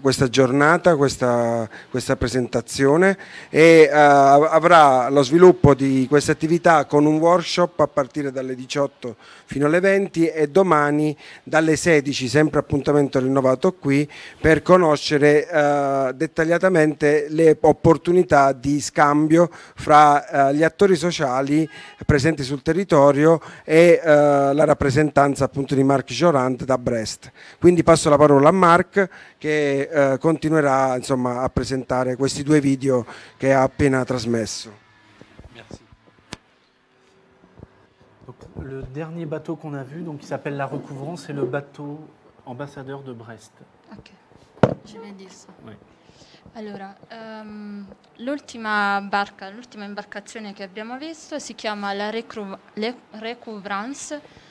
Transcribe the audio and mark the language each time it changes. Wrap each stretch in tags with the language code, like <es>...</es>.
<it>giornata, questa presentazione e avrà lo sviluppo di questa attività con un workshop a partire dalle 18 fino alle 20 e domani dalle 16, sempre appuntamento rinnovato qui, per conoscere dettagliatamente le opportunità di scambio fra gli attori sociali presenti sul territorio e la rappresentanza appunto di Marc Jorand da Brest. Quindi passo la parola a Marc che continuerà insomma a presentare questi due video che ha appena trasmesso.</it> <fr>Le dernier bateau qu'on a vu, donc qui s'appelle La Recouvrance, c'est le bateau ambassadeur de Brest. Ok, je viens de dire ça. Oui.</fr> <it>Allora, l'ultima barca, l'ultima imbarcazione che abbiamo visto si chiama La Recouvrance.</it>